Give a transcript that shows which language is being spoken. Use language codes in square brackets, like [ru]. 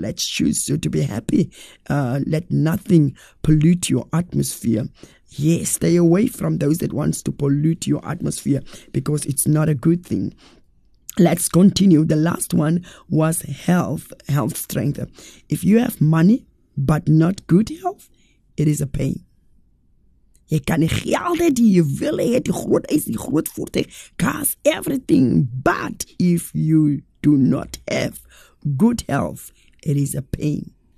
[en] Let's choose to be happy. Let nothing pollute your atmosphere. Yes, stay away from those that wants to pollute your atmosphere, because it's not a good thing. Let's continue. The last one was health, strength. If you have money but not good health, it is a pain. [af] Jy kan die geld het, die juwele het, die groot huis, die groot voertuig, [en] cars, everything. But if you do not have good health, it is a pain.